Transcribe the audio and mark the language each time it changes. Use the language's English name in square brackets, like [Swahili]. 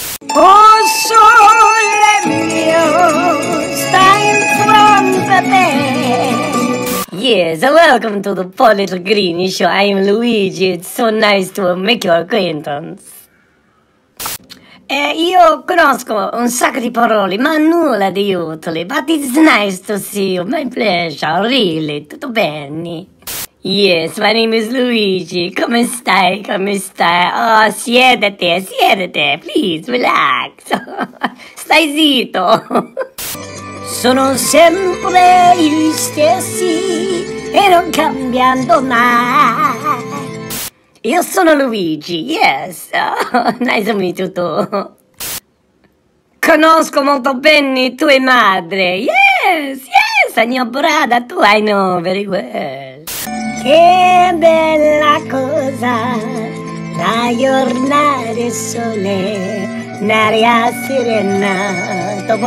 [English] Oh, soul, let me stand from the bed. Yes, welcome to the Poor Little Greenie Show. I'm Luigi. It's so nice to make your acquaintance. [Italian] Io conosco un sacco di parole, ma nulla di utile. [English] But it's nice to see you. My pleasure, really. [Italian] Tutto bene? [English] Yes, my name is Luigi. [Italian] Come stai? Come stai? Oh, siedete, siedete. [English] Please, relax. [Italian] Stai zitto. Sono sempre gli stessi e non cambiando mai. Io sono Luigi, [English] yes. Oh, nice to meet you too. [Italian] Conosco molto bene tua madre. [English] Yes, yes, I know brother too, I know very well. [Italian] Che bella cosa la giornata sole, n'aria serena.